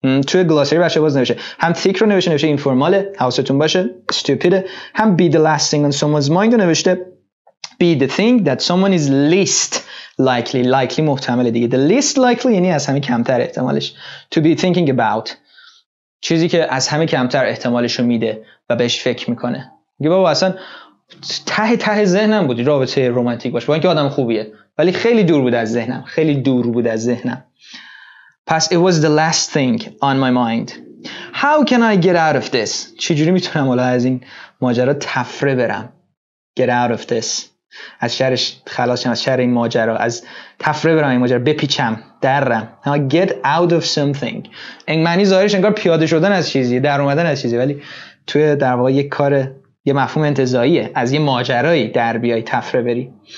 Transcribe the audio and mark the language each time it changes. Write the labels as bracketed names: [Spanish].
[Persian] توی گلاسری بچه باز نوشه، هم thick رو نوشه، نوشه informale، حواستون باشه stupid، هم [English] be the last thing on someone's mind رو نوشته be the thing that someone is least likely، [Persian] likely محتمله دیگه، the least likely یعنی از همه کمتر احتمالش، [English] to be thinking about، [Persian] چیزی که از همه کمتر احتمالش رو میده و بهش فکر میکنه. میگه بابا اصلا ته ته ذهنم بودی رابطه رومانتیک باشه، با اینکه آدم خوبیه، ولی خیلی دور بود از ذهنم، خیلی دور بود از ذهنم. پس [English] it was the last thing on my mind. How can I get out of this؟ [Persian] چجوری میتونم حالا از این ماجرا تفره برم؟ Get out of this، از شرش خلاص شم، از شر این ماجرا، از تفره برم این ماجرا، بپیچم درم. Get out of something، این معنی ظاهرش انگار پیاده شدن از چیزی، در اومدن از چیزی، ولی توی در واقع یک کار، یه مفهوم انتزاییه، از یه ماجرایی در بیای تفره بری.